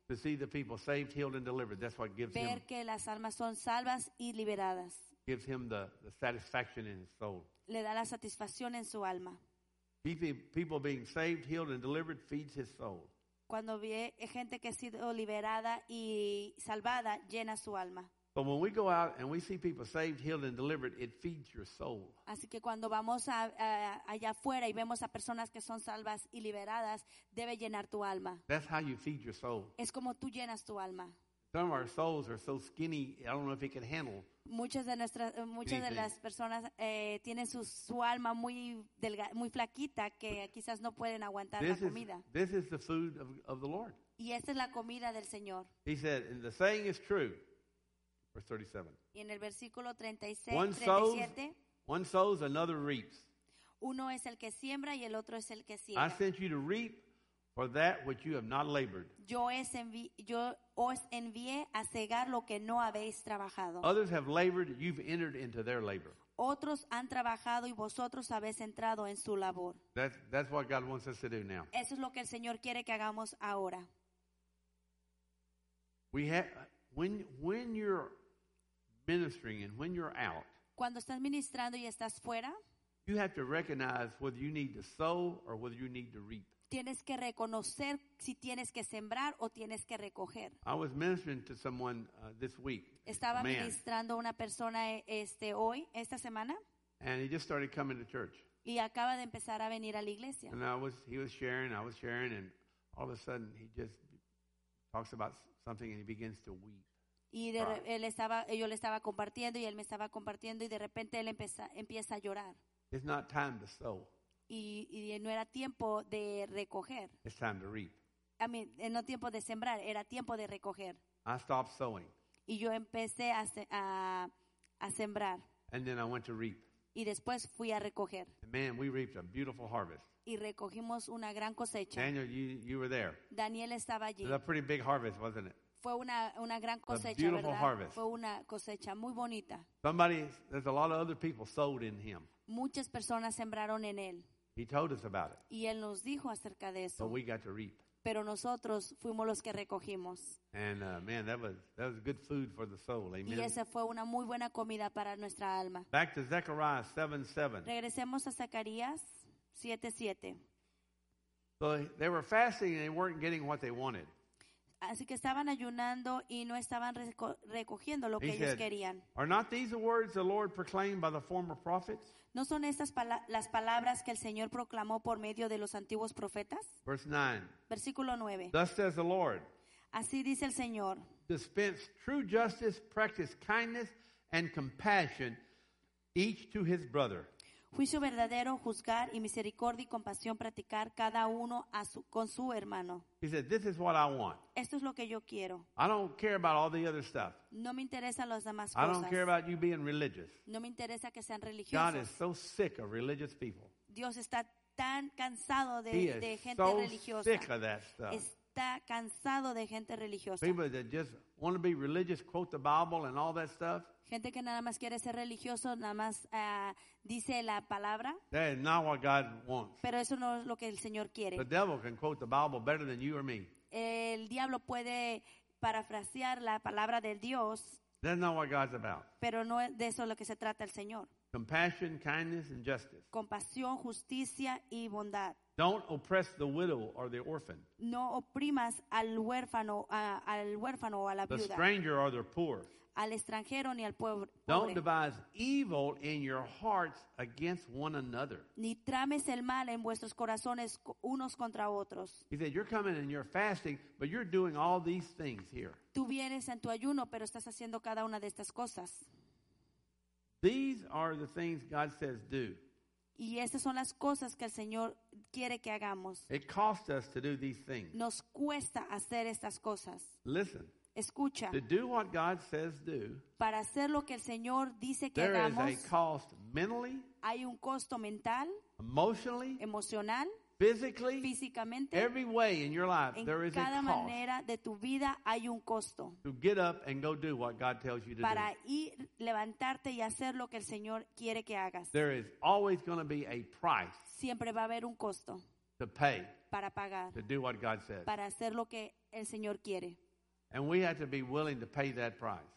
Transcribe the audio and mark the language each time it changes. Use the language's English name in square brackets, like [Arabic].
[English] To see the people saved, healed, and delivered. That's what gives [Spanish] ver [English] him [Spanish] que las almas son salvas y liberadas. [English] Gives him the satisfaction in his soul. [Spanish] Le da la satisfacción en su alma. [English] People being saved, healed, and delivered feeds his soul. [Spanish] Cuando ve gente que ha sido liberada y salvada, llena su alma. [English] But when we go out and we see people saved, healed, and delivered, it feeds your soul. [Spanish] Así que cuando vamos allá afuera y vemos a personas que son salvas y liberadas, debe llenar tu alma. [English] That's how you feed your soul. [Spanish] Es como tú llenas tu alma. [English] Some of our souls are so skinny, I don't know if it can handle. [Spanish] Muchas de las personas tienen su alma muy delgada, muy flaquita, que quizás no pueden aguantar la comida. [English] This is the food of the Lord. [Spanish] Y esta es la comida del Señor. [English] He said, and the saying is true. Verse 37. [Spanish] Y en el versículo 36, 37. [English] One sows, another reaps. [Spanish] Uno es el que siembra y el otro es el que siembra. [English] I sent you to reap for that which you have not labored. [Spanish] Yo os envié a segar lo que no habéis trabajado. [English] Others have labored, you've entered into their labor. [Spanish] Otros han trabajado y vosotros habéis entrado en su labor. [English] That's what God wants us to do now. [Spanish] Eso es lo que el Señor quiere que hagamos ahora. [English] When you're ministering and when you're out, [Spanish] cuando estás ministrando y estás fuera, [English] you have to recognize whether you need to sow or whether you need to reap. [Spanish] Tienes que reconocer si tienes que sembrar o tienes que recoger. [English] I was ministering to someone this week. [Spanish] Estaba ministrando a una persona hoy, esta semana. [English] And he just started coming to church. [Spanish] Y acaba de empezar a venir a la iglesia. [English] And I was sharing, and all of a sudden he just talks about something and he begins to weep. [Spanish] Y yo le estaba compartiendo y él me estaba compartiendo y de repente él empieza a llorar. [English] It's not time to sow. [Spanish] Y no era tiempo de recoger. [English] It's time to reap. I mean, [Spanish] no tiempo de sembrar, era tiempo de recoger. [English] I stopped sowing. [Spanish] Y yo empecé a sembrar. [English] And then I went to reap. [Spanish] Y después fui a recoger. [English] Man, we reaped a beautiful harvest. [Spanish] Y recogimos una gran cosecha. [English] Daniel, you were there. [Spanish] Daniel estaba allí. [English] It was a pretty big harvest, wasn't it? [Spanish] Fue una gran cosecha, ¿verdad? [English] Harvest. [Spanish] Fue una cosecha muy bonita. [English] Somebody, there's a lot of other people sowed in him. [Spanish] Muchas personas sembraron en él. [English] He told us about it. [Spanish] Y él nos dijo acerca de eso. [English] But we got to reap. [Spanish] pero nosotros fuimos los que recogimos. [English] And man, that was good food for the soul. Amen. [Spanish] Y esa fue una muy buena comida para nuestra alma. [English] Back to Zechariah 7:7. [Spanish] Regresemos a Zacarías 7:7. [English] So they were fasting and they weren't getting what they wanted. [Spanish] Así que estaban ayunando y no estaban recogiendo lo que ellos querían. [English] Are not these the words the Lord proclaimed by the former prophets? [Spanish] ¿No son estas las palabras que el Señor proclamó por medio de los antiguos profetas? [English] Verse 9. [Spanish] Versículo 9. [English] Thus says the Lord. [Spanish] Así dice el Señor. [English] Dispense true justice, practice kindness and compassion each to his brother. [Spanish] Juicio verdadero, juzgar y misericordia y compasión practicar cada uno a su, con su hermano. [English] He said, this is what I want. [Spanish] Esto es lo que yo quiero. [English] I don't care about all the other stuff. [Spanish] No me interesan las demás cosas. [English] I don't care about you being religious. [Spanish] No me interesa que sean religiosos. [English] God is so sick of religious people. [Spanish] Dios está tan cansado de gente religiosa. [English] He is so sick of that stuff. [Spanish] Está cansado de gente religiosa. [English] People that just want to be religious, quote the Bible and all that stuff. [Spanish] Gente que nada más quiere ser religioso, nada más dice la palabra. [English] That is not what God wants. [Spanish] Pero eso no es lo que el Señor quiere. [English] The devil can quote the Bible better than you or me. [Spanish] El diablo puede parafrasear la palabra de Dios. [English] That's not what God's about. [Spanish] Pero no es de eso lo que se trata el Señor. [English] Compassion, kindness, and justice. [Spanish] Compasión, justicia y bondad. [English] Don't oppress the widow or the orphan. [Spanish] No oprimas al huérfano o a la viuda. [English] The stranger or the poor. [Spanish] Al extranjero ni al pobre. [English] Don't devise evil in your hearts against one another. [Spanish] Ni trames el mal en vuestros corazones unos contra otros. [English] He said, you're coming and you're fasting, but you're doing all these things here. [Spanish] Tú vienes en tu ayuno, pero estás haciendo cada una de estas cosas. [English] These are the things God says do. [Spanish] Y estas son las cosas que el Señor quiere que hagamos. [English] It costs us to do these things. [Spanish] Nos cuesta hacer estas cosas. [English] Listen. [Spanish] Escucha, [English] to do what God says do, [Spanish] para hacer lo que el Señor dice que [English] there [Spanish] hagamos, [English] is a cost mentally, [Spanish] hay un costo mental, [English] emotionally, [Spanish] emocional, [English] physically, [Spanish] físicamente, [English] every way in your life, there is a cost. [Spanish] En cada manera de tu vida hay un costo. [English] To get up and go do what God tells you to [Spanish] para Para ir, levantarte y hacer lo que el Señor quiere que hagas. [English] There is always going to be a price. [Spanish] Siempre va a haber un costo. [English] To pay. [Spanish] Para pagar. [English] To do what God says. [Spanish] Para hacer lo que el Señor quiere. [English] And we have to be willing to pay that price.